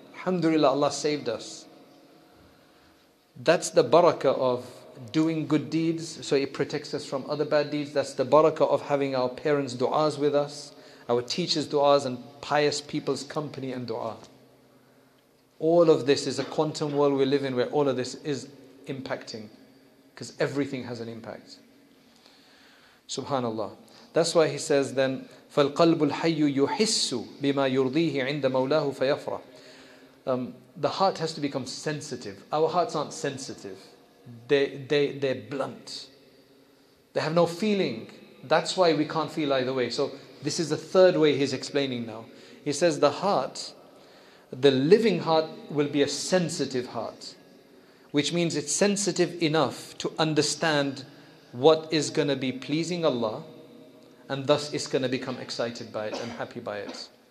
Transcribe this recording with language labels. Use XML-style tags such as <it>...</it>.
<en>Alhamdulillah, Allah saved us. That's the barakah of doing good deeds, so it protects us from other bad deeds. That's the barakah of having our parents' du'as with us, our teachers' du'as, and pious people's company and du'a. All of this is a quantum world we live in where all of this is impacting, because everything has an impact. Subhanallah. That's why he says then,</en> <ar>فَالْقَلْبُ الْحَيُّ يُحِسُّ بِمَا يُرْضِيهِ عِنْدَ مَوْلَاهُ فَيَفْرَحُ.</ar> <en>The heart has to become sensitive. Our hearts aren't sensitive. They're blunt. They have no feeling. That's why we can't feel either way. So this is the third way he's explaining now. He says the heart, the living heart, will be a sensitive heart, which means it's sensitive enough to understand what is going to be pleasing Allah, and thus it's going to become excited by it and happy by it.</en>